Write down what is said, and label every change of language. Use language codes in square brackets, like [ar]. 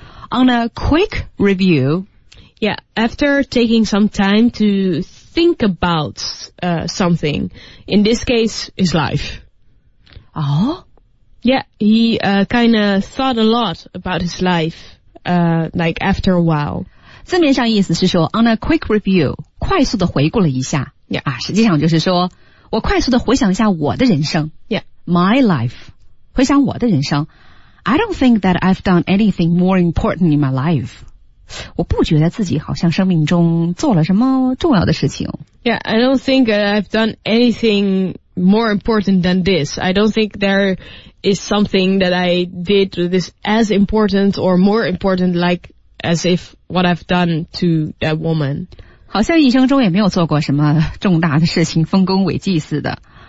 [en] On a quick review, yeah, after taking some time to think about something, in this case, his life. Oh? Yeah, he kind of thought a lot about his life, like after a while. [zh] 字面上意思是说 , [en] on a quick review, [zh] 快速的回顾了一下。 [en] Yeah. [zh] 啊，实际上就是说我快速地回想一下我的人生 [en] ，Yeah, my life. [zh] 回想我的人生 [en] ，I don't think that I've done anything more important in my life. [zh] 我不觉得自己好像生命中做了什么重要的事情。 [en] Yeah, I don't think I've done anything more important than this. I don't think there is something that I did that is as important or more important like as if what I've done to that woman. [zh] 好像一生中也没有做过什么重大的事情，丰功伟绩似的。